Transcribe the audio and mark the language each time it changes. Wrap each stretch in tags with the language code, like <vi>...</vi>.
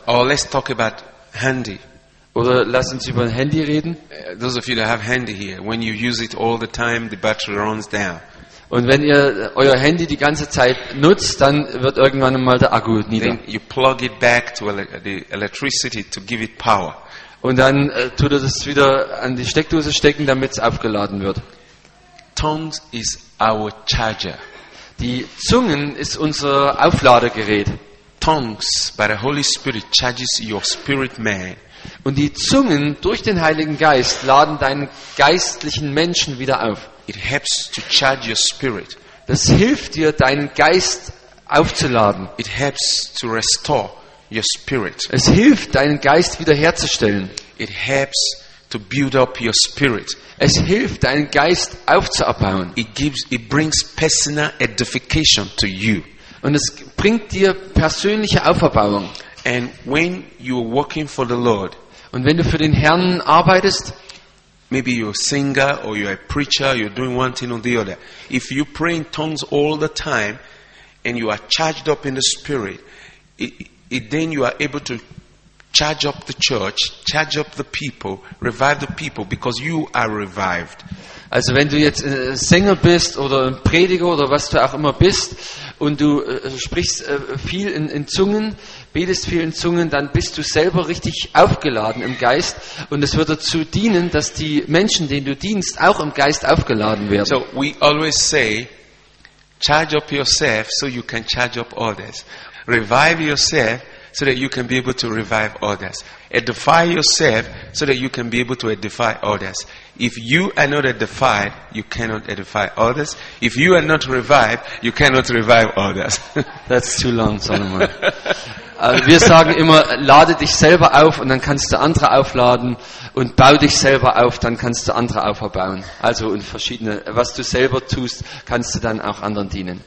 <en>Or let's talk about handy.</en> <de>Oder lass uns über ein Handy reden.</de> <en>Those of you that have handy here, when you use it all the time, the battery runs down.</en> <de>Und wenn ihr euer Handy die ganze Zeit nutzt, dann wird irgendwann mal der Akku nieder.</de> <en>Then you plug it back to the electricity to give it power.</en> <de>Und dann tut er das wieder an die Steckdose stecken, damit es aufgeladen wird.</de> <en>Tongues is our charger.</en> <de>Die Zungen ist unser Aufladegerät.</de> <en>Tongues by the Holy Spirit charges your spirit man.</en> <de>Und die Zungen durch den Heiligen Geist laden deinen geistlichen Menschen wieder auf.</de> <en>It helps to charge your spirit.</en> <de>Das hilft dir, deinen Geist aufzuladen.</de> <en>It helps to restore. Your spirit.</en> <de>Es hilft, deinen Geist wiederherzustellen.</de> <en>It helps to build up your spirit.</en> <de>Es hilft, deinen Geist aufzubauen.</de> <en>It brings personal edification to you.</en> <de>Und es bringt dir persönliche Auferbauung.</de> <en>And when you're working for the Lord,</en> <de>und wenn du für den Herrn arbeitest,</de> <en>maybe you're a singer or you're a preacher, you're doing one thing or the other. If you pray in tongues all the time and you are charged up in the spirit, then you are able to charge up the church, charge up the people, revive the people, because you are revived.</en> <de>Also wenn du jetzt ein Sänger bist oder ein Prediger oder was du auch immer bist und du sprichst viel in Zungen, betest viel in Zungen, dann bist du selber richtig aufgeladen im Geist und es wird dazu dienen, dass die Menschen, denen du dienst, auch im Geist aufgeladen werden.</de> <en>So we always say, charge up yourself so you can charge up others. Revive yourself so that you can be able to revive others. Edify yourself so that you can be able to edify others. If you are not edified, you cannot edify others. If you are not revived, you cannot revive others. That's too long, Solomon.</en> <de>Wir sagen immer, lade dich selber auf und dann kannst du andere aufladen und bau dich selber auf, dann kannst du andere aufbauen. Also und verschiedene, was du selber tust, kannst du dann auch anderen dienen.</de>